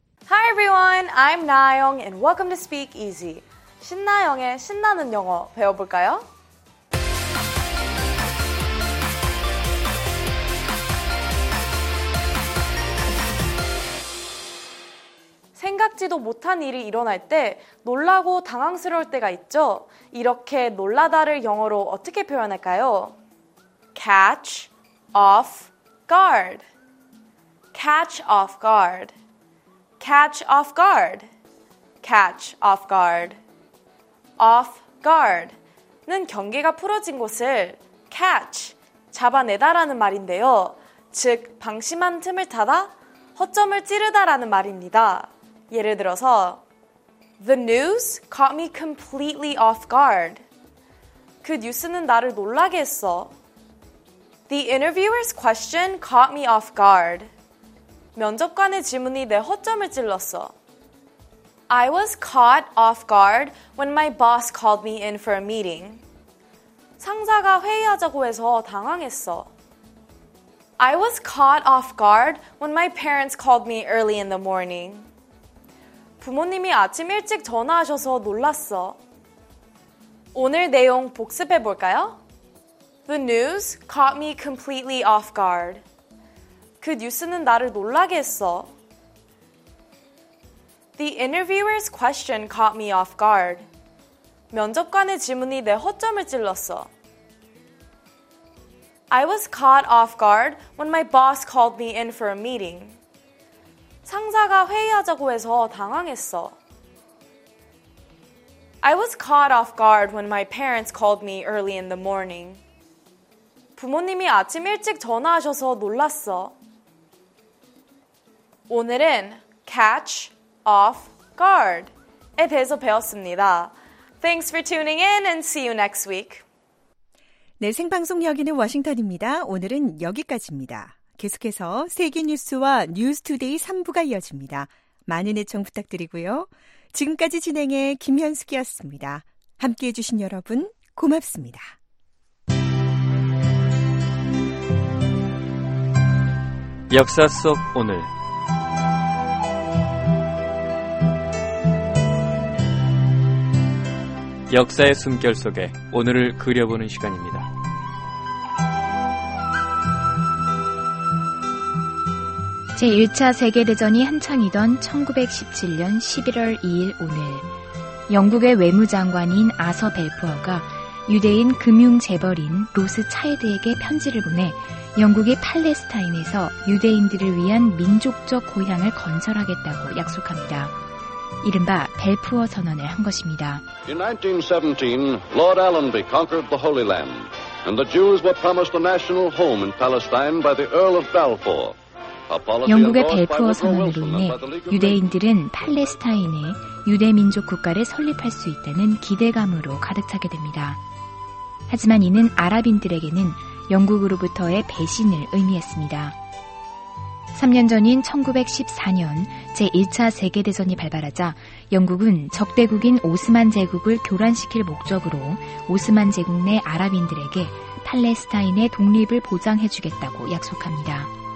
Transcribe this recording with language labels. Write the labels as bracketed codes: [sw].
[en] Hi everyone, I'm Na-young and welcome to Speak Easy. [ko] 신나영의 신나는 영어 배워볼까요? 생각지도 못한 일이 일어날 때 놀라고 당황스러울 때가 있죠. 이렇게 놀라다를 영어로 어떻게 표현할까요? [en] Catch off guard. Catch off guard. Catch off guard. Catch off guard. [ko] Off guard는 경계가 풀어진 곳을 catch, 잡아내다라는 말인데요. 즉, 방심한 틈을 타다, 허점을 찌르다라는 말입니다. 예를 들어서 [en] The news caught me completely off guard. [ko] 그 뉴스는 나를 놀라게 했어. [en] The interviewer's question caught me off guard. [ko] 면접관의 질문이 내 허점을 찔렀어. [en] I was caught off guard when my boss called me in for a meeting. [ko] 상사가 회의하자고 해서 당황했어. [en] I was caught off guard when my parents called me early in the morning. [ko] 부모님이 아침 일찍 전화하셔서 놀랐어. 오늘 내용 복습해 볼까요? [en] The news caught me completely off guard. [ko] 그 뉴스는 나를 놀라게 했어. [en] The interviewer's question caught me off guard. [ko] 면접관의 질문이 내 허점을 찔렀어. [en] I was caught off guard when my boss called me in for a meeting. [ko] 상사가 회의하자고 해서 당황했어. [en] I was caught off guard when my parents called me early in the morning. [ko] 부모님이 아침 일찍 전화하셔서 놀랐어. 오늘은 catch off guard에 대해서 배웠습니다. [en] Thanks for tuning in and see you next week. [ko] 네, 생방송 여기는 워싱턴입니다. 오늘은 여기까지입니다. 계속해서 세계 뉴스와 뉴스 투데이 3부가 이어집니다. 많은 애청 부탁드리고요. 지금까지 진행해 김현숙이었습니다. 함께해 주신 여러분 고맙습니다. 역사 속 오늘 역사의 숨결 속에 오늘을 그려보는 시간입니다. 제1차 세계대전이 한창이던 1917년 11월 2일 오늘 영국의 외무장관인 아서 벨푸어가 유대인 금융재벌인 로스차일드에게 편지를 보내 영국이 팔레스타인에서 유대인들을 위한 민족적 고향을 건설하겠다고 약속합니다. 이른바 벨푸어 선언을 한 것입니다. [en] In 1917, Lord Allenby conquered the Holy Land and the Jews were promised a national home in Palestine by the Earl of Balfour. [ko] 영국의 벨푸어 선언으로 인해 유대인들은 팔레스타인에 유대민족 국가를 설립할 수 있다는 기대감으로 가득 차게 됩니다. 하지만 이는 아랍인들에게는 영국으로부터의 배신을 의미했습니다. 3년 전인 1914년 제1차 세계대전이 발발하자 영국은 적대국인 오스만 제국을 교란시킬 목적으로 오스만 제국 내 아랍인들에게 팔레스타인의 독립을 보장해주겠다고 약속합니다.